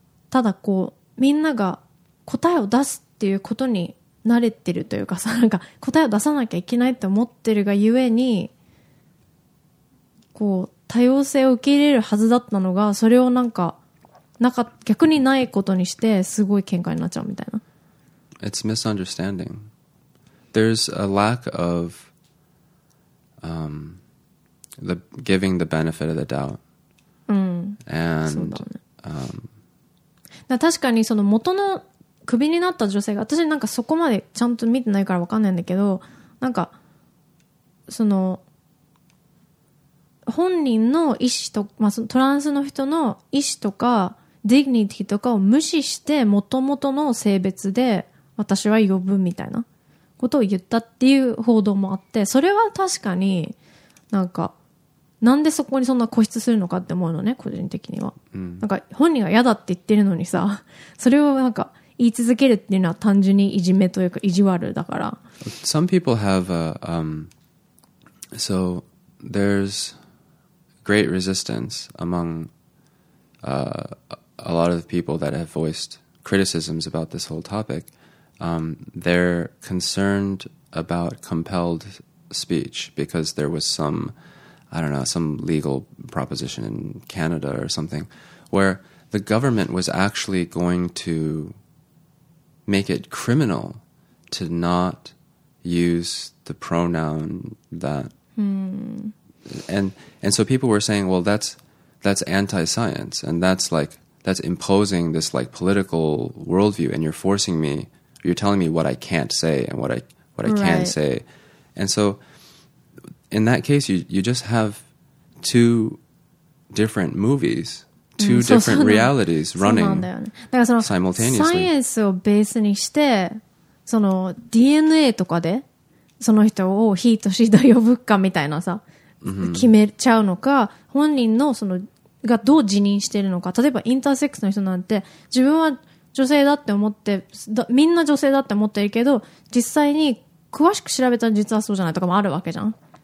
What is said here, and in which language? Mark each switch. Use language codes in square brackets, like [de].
[ja] ただこう、みんなが答えを出すっていうことに、慣れてるというかさ、なんか答えを出さなきゃいけないって思ってるがゆえに、こう多様性を受け入れるはずだったのが、それをなんか逆にないことにしてすごい喧嘩になっちゃうみたいな。 [en] It's misunderstanding. There's a lack of the giving the benefit of the doubt. [ja] だ確かにその元のクビになった女性が、私なんかそこまでちゃんと見てないから分かんないんだけど、なんかその本人の意思と、まあ、トランスの人の意思とかディグニティとかを無視して元々の性別で私は呼ぶみたいなことを言ったっていう報道もあって、それは確かになんかなんでそこにそんな固執するのかって思うのね、個人的には、うん、なんか本人が嫌だって言ってるのにさ、それをなんか言い続けるっていうのは単純にいじめというか意地悪だから。 [en] Some people have a, so there's great resistance among a lot of people that have voiced criticisms about this whole topic. They're concerned about compelled speech because there was some, I don't know, some legal proposition in Canada or something where the government was actually going to make it criminal to not use the pronoun that. And so people were saying, well, that's anti-science, and that's like, that's imposing this like political worldview, and you're forcing me, you're telling me what I can't say and what I right. can say. And so in that case, you just have two different movies, two different realities running simultaneously. [ja] サイエンスをベースにしてその DNA とかでその人をヒートシード呼ぶかみたいなさ、 mm-hmm. 決めちゃうのか、本人のそのがどう自認してるのか、例えばインターセックスの人なんて自分は女性だって思ってみんな女性だって思ってるけど、実際に詳しく調べたら実はそうじゃないとかもあるわけじゃん、